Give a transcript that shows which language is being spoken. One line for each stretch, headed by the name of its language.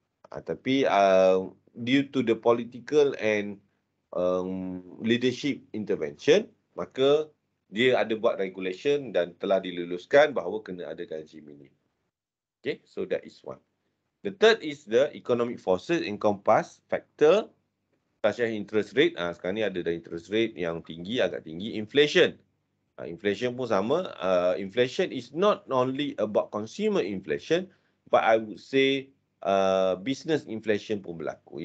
Malay: Tapi
English: due to the political and leadership intervention,
Malay: maka dia ada buat regulation dan telah diluluskan bahawa kena ada gaji minimum.
English: Okay, so that is one. The third is the economic forces encompass factor such as interest rate.
Malay: Sekarang ni ada
English: the interest rate
Malay: yang tinggi, agak tinggi. Inflation. Inflation pun sama.
English: Inflation is not only about consumer inflation, but I would say business inflation
Malay: pun berlaku.